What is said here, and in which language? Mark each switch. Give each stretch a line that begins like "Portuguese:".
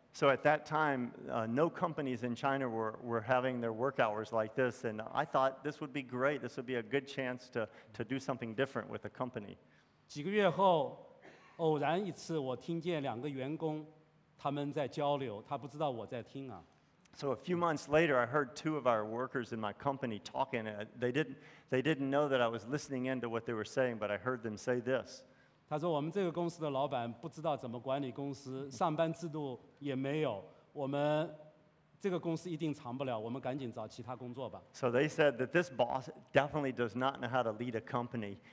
English: So at that time, no companies in China were having their work hours like this, and I thought this would be great, this would be a good chance to do something different with the company.
Chinese: 几个月后， 偶然一次我听见两个员工他们在交流，他不知道我在听啊。
English: So a few months later, I heard two of our workers in my company talking. They didn't know that I was listening in to what they were saying, but I heard them say this.
Chinese: 他说我们这个公司的老板不知道怎么管理公司，上班制度也没有，我们这个公司一定长不了，我们赶紧找其他工作吧。
English: So they said that this boss definitely does not know how to lead a company.